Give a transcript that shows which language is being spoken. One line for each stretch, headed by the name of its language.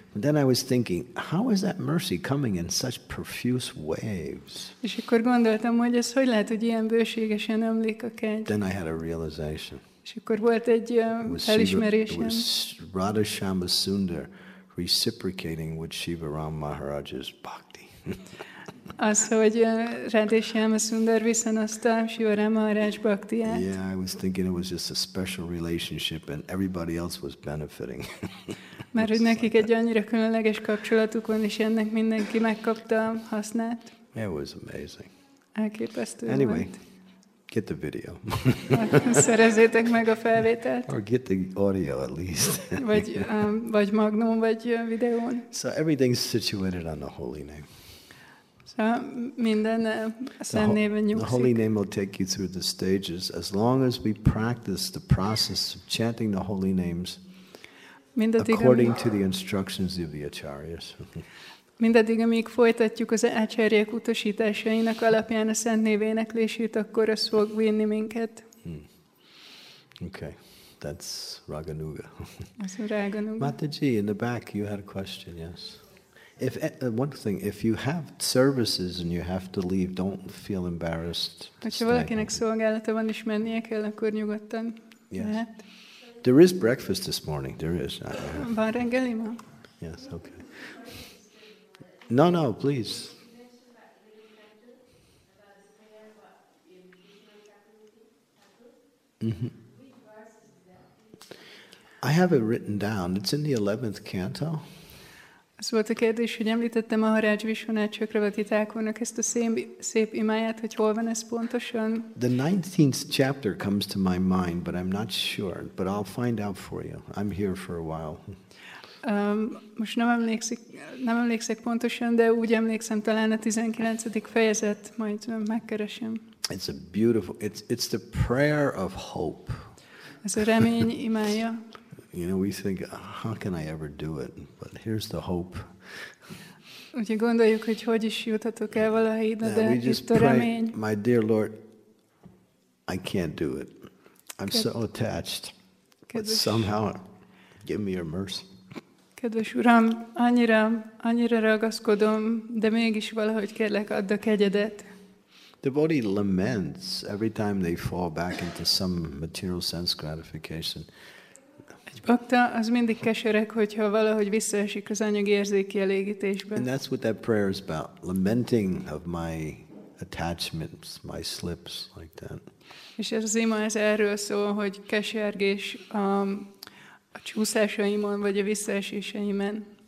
English: But then I was thinking, how is that mercy coming in such profuse waves?
Hungarian: És akkor gondoltam, hogy ez hogy lehet, hogy ilyen bőségesen ömlik a kegy.
English: Then I had a realization.
Hungarian: És akkor volt egy felismerésem.
English: It was Radha Shyama Sundar reciprocating with Sivaram Maharaj's bhakti.
Hungarian: Az, hogy rendesen a Sundar viszonozta Sivaram Maharaj bhaktiát.
English: Yeah, I was thinking it was just a special relationship and everybody else was benefiting.
Hungarian: Mert hogy nekik egy annyira különleges kapcsolatuk van, és ennek mindenki megkapta hasznát.
English: It was amazing.
Hungarian: Elképesztő
English: anyway,
Hungarian: volt.
English: Get the video.
Hungarian: Szerezzétek meg a felvételt.
English: Or get the audio at least.
Hungarian: Vagy vagy magnum vagy videón.
English: So everything's situated on the holy name.
Hungarian: So minden a szent néven nyugszik.
English: The holy name will take you through the stages as long as we practice the process of chanting the holy names. According to the instructions of the acharyas.
Hungarian: Mindaddig, amíg folytatjuk az ácsárják utasításainak alapján a szent név éneklését, akkor az fog vinni minket.
English: Okay, that's Raganuga.
Hungarian: Az a Raganuga.
English: Mataji, in the back, you had a question, yes. If one thing, if you have services and you have to leave, don't feel embarrassed.
Hungarian: Ha valakinek szolgálata van és mennie kell, akkor nyugodtan lehet.
English: There is breakfast this morning, there is.
Hungarian: Van reggeli ma?
English: Yes, okay. No, no, please. I have it written down. It's in the 11th canto.
Hungarian: Az volt a kérdés, hogy említette Maharaj Vishwanath Chakravarti Thakurnak ezt a szép imáját, hogy hol van ez pontosan.
English: The 19th chapter comes to my mind, but I'm not sure. But I'll find out for you. I'm here for a while.
Hungarian: Most nem emlékszek pontosan, de úgy emlékszem talán a 19. fejezet, majd megkeresem.
English: It's a beautiful, it's the prayer of hope.
Hungarian: Ez a remény imája.
English: You know, we think, how can I ever do it? But here's the hope.
Hungarian: Úgy gondoljuk, hogy hogy is juthatok el valaha ide, de itt a remény.
English: My dear Lord, I can't do it. I'm so attached. But somehow, give me your mercy.
Hungarian: Kedves Uram, annyira ragaszkodom, de mégis valahogy kérlek, add a kegyedet.
English: The body laments every time they fall back into some material sense gratification.
Hungarian: Egy bakta az mindig kesereg, hogyha valahogy visszaesik az anyagi érzéki elégítésbe.
English: And that's what that prayer is about, lamenting of my attachments, my slips, like that.
Hungarian: És az ima ez erről szól, hogy kesergés, a csúszásaimon, vagy a visszaeséseimen.